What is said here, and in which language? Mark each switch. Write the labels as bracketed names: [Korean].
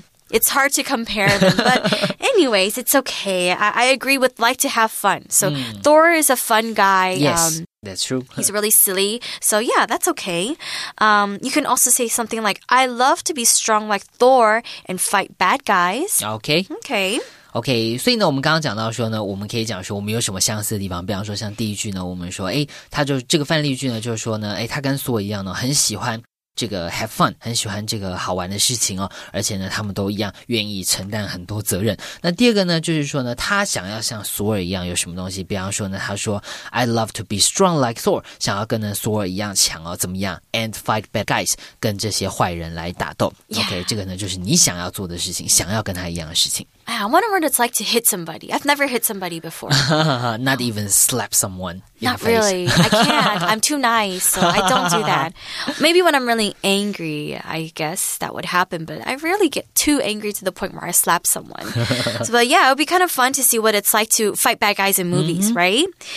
[English] It's hard to compare them, but anyways, it's okay. I agree with like to have fun. So Thor is a fun guy. Yes, that's true. He's really silly. So yeah, that's okay. You can also say something like, I love to be strong like Thor and fight bad guys. [Chinese] OK, 所以呢，我们刚刚讲到说呢，我们可以讲说我们有什么相似的地方。比方说像第一句呢，我们说，诶，他就这个范例句呢，就是说呢，诶，他跟索一样呢，很喜欢这个 [English] have fun, [Chinese] 很喜欢这个好玩的事情哦，而且呢他们都一样愿意承担很多责任。那第二个呢，就是说呢他想要像索尔一样有什么东西，比方说呢他说 [English] I love to be strong like Thor, [Chinese] 想要跟呢索尔一样强哦，怎么样 [English] and fight bad guys, [Chinese] 跟这些坏人来打斗。 OK, 这个呢就是你想要做的事情，想要跟他一样的事情。 [English] I wonder what it's like to hit somebody. I've never hit somebody before. Not even slap someone. Not really. I can't. I'm too nice, so I don't do that. Maybe when I'm really angry, I guess that would happen, but I rarely get too angry to the point where I slap someone. But it would be kind of fun to see what it's like to fight bad guys in movies, right?